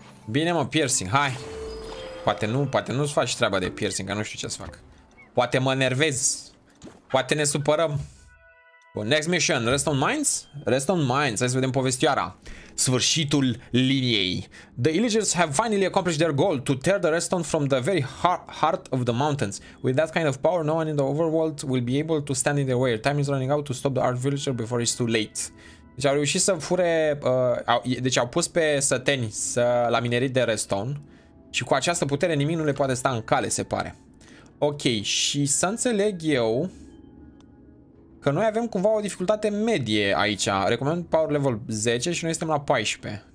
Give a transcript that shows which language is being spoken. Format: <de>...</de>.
<ro>Bine, mă, piercing, hai. Poate nu, poate nu-ți faci treaba de piercing, că nu știu ce să fac. Poate mă nervez. Poate ne supărăm. Bun,</ro> <en>next mission,</en> <ro>Rest on Minds? Rest on Minds, hai să vedem povestioara. Sfârșitul liniei.</ro> <en>The illagers have finally accomplished their goal to tear the Reston from the very heart of the mountains. With that kind of power, no one in the overworld will be able to stand in their way. Time is running out to stop the Arch Villager before it's too late.</en> <ro>Deci au reușit să fure, deci au pus pe săteni să la minerit de redstone și cu această putere nimic nu le poate sta în cale, se pare. Ok, și să înțeleg eu că noi avem cumva o dificultate medie aici. Recomand power level 10 și noi suntem la 14.</ro>